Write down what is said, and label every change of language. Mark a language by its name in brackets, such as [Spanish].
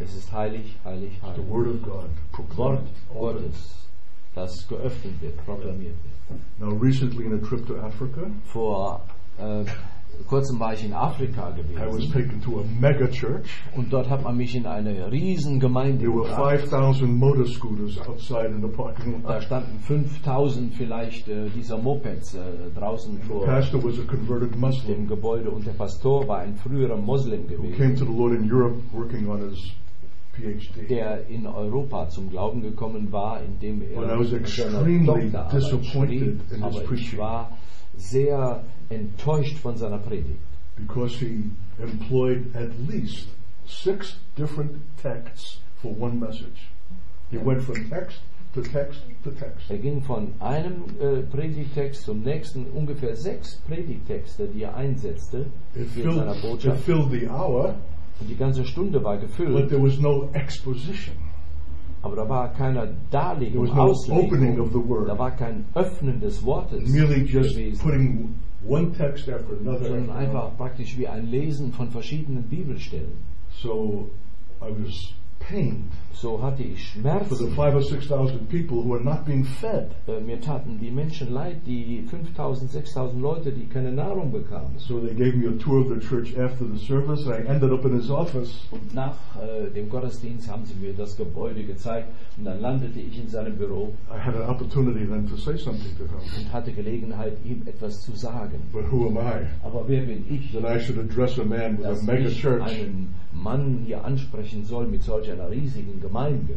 [German] Es ist heilig, heilig, heilig. [English] The word of God [German] proclaimed Wort Gottes, das geöffnet wird, proklamiert wird. [English] Now recently in a trip to Africa. [German] Vor kurzem war ich in Afrika gewesen. [English] I was taken to a mega church. [German] Und dort hat man mich in eine riesen Gemeinde gebracht. [English] There were 5,000 motor scooters outside in the parking lot. [German] Da standen 5,000 vielleicht dieser Mopeds draußen vor. [English] The pastor was a converted Muslim. [German] Dem Gebäude und der Pastor war ein früherer Moslem gewesen. [English] Who came to the Lord in Europe working on his PhD. [German] Der in Europa zum Glauben gekommen war, indem er [English] I was extremely disappointed in his preaching. [German] Ich war sehr enttäuscht von seiner Predigt. [English] Because he employed at least 6 different texts for one message. He went from text to text to text. [German] Er ging von einem Predigtext zum nächsten, ungefähr 6 Predigtexte, die er einsetzte in seiner Botschaft. [English] To fill the hour. [German] Und die ganze Stunde war gefüllt. [English] But there was no exposition. [German] Aber da war keine Darlegung, [English] there was no Auslegung. Opening of the word. [German] Da war kein Öffnen des Wortes. [English] Merely just putting one text after another. [German] Sondern einfach praktisch wie ein Lesen von verschiedenen Bibelstellen. [English] So, I was pained. [German] So hatte ich Schmerzen. [English] For the 5,000 or 6,000 people who are not being fed. [German] Mir taten die Menschen leid, die 5,000, 6,000 Leute, die keine Nahrung bekamen. [English] So they gave me a tour of the church after the service, and I ended up in his office. [German] Und nach dem Gottesdienst haben sie mir das Gebäude gezeigt, und dann landete ich in seinem Büro. [English] I had an opportunity then to say something to him. [German] Und hatte Gelegenheit, ihm etwas zu sagen. [English] But who am I? [German] Aber wer bin ich? [English] That I should address a man with a mega church. [German] Mann hier ansprechen soll mit solch einer riesigen Gemeinde.